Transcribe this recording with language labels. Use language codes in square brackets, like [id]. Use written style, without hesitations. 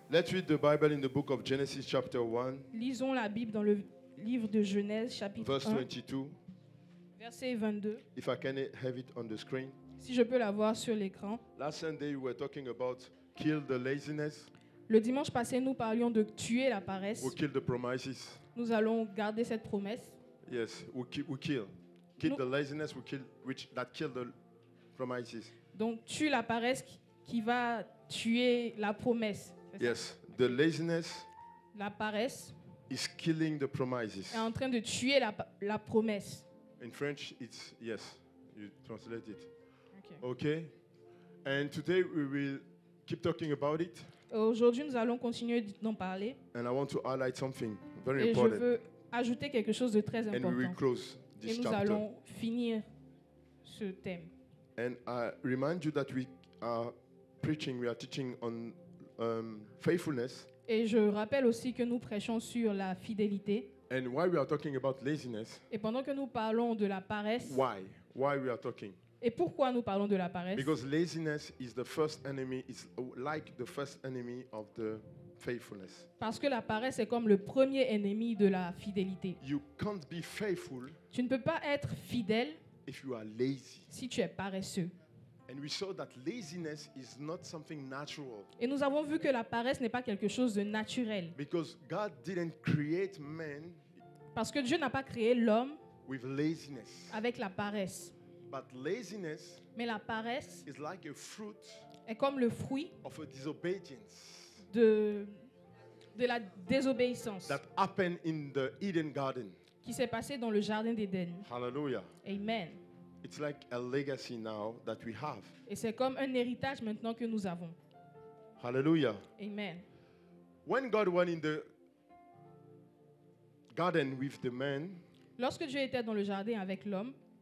[en] Let's read the Bible in the book of Genesis chapter 1. [fr] Lisons la Bible dans le livre de Genèse chapitre 1. [en] Verse 22. [fr] Verset 22. [en] If I can have it on the screen. [fr] Si je peux l'avoir sur l'écran. [en] Last Sunday we were talking about kill the laziness. [fr] Le dimanche passé nous parlions de tuer la paresse. [en] We kill the promises. [fr] Nous allons garder cette promesse. [en] Yes, we kill the laziness, which kills the promises. [fr] Donc tue la paresse qui va tuer la promesse. [en] Yes, the laziness. [fr] La paresse. [en] Is killing the promises. [fr] Est en train de tuer la promesse. [en] In French, it's yes. You translate it. Okay. And today we will keep talking about it. [fr] Aujourd'hui, nous allons continuer d'en parler. [en] And I want to highlight something very [fr] Et [en] important. [fr] Je veux ajouter quelque chose de très important. [en] And we will close this [fr] Et nous [en] chapter. [fr] Allons finir ce thème. [en] And I remind you that we are preaching, we are teaching on faithfulness. [fr] Et je rappelle aussi que nous prêchons sur la fidélité. [en] And why we are talking about laziness. [fr] Et pendant que nous parlons de la paresse. [en] Why we are talking? [fr] Et pourquoi nous parlons de la paresse? [en] Because laziness is the first enemy. It's like the first enemy of the faithfulness. [fr] Parce que la paresse est comme le premier ennemi de la fidélité. [en] You can't be faithful. [fr] Tu ne peux pas être fidèle. [en] If you are lazy. [fr] Si tu es paresseux. [en] And we saw that laziness is not something natural. [fr] Et nous avons vu que la paresse n'est pas quelque chose de naturel. [en] Because God didn't create man. [fr] Parce que Dieu n'a pas créé l'homme. [en] With laziness. [fr] Avec la paresse. [en] But laziness. [fr] Mais la paresse. [en] Is like a fruit. [fr] Est comme le fruit. [en] Of a disobedience. [fr] De la désobéissance. [en] That happened in the Eden garden. [fr] Qui s'est passé dans le jardin d'Éden. [en] Hallelujah. Amen. It's like a legacy now that we have. [fr] Et c'est comme un héritage maintenant que nous avons. [en] Hallelujah. Amen. When God was in the garden with the man, [fr] lorsque Dieu était dans le jardin avec l'homme,